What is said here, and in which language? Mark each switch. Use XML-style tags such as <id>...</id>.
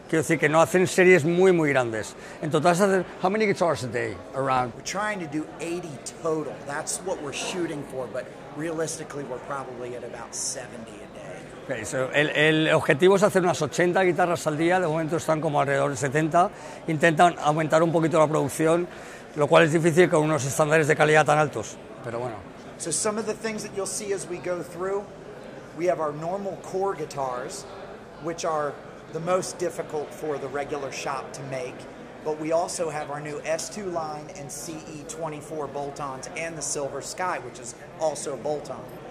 <es>Quiero decir que no hacen series muy, muy grandes. En total,</es> <en>how many guitars a day around? We're trying to do 80 total. That's what we're shooting for, but realistically we're probably at about 70 a day. Okay, so</en> <es>el objetivo es hacer unas 80 guitarras al día. De momento están como alrededor de 70. Intentan aumentar un poquito la producción, lo cual es difícil con unos estándares de calidad tan altos. Pero bueno.</es> <en>So some of the things that you'll see as we go through, we have our normal core guitars, which are the most difficult for the regular shop to make, but we also have our new S2 line and CE24 bolt-ons and the Silver Sky, which is also a bolt-on.</en>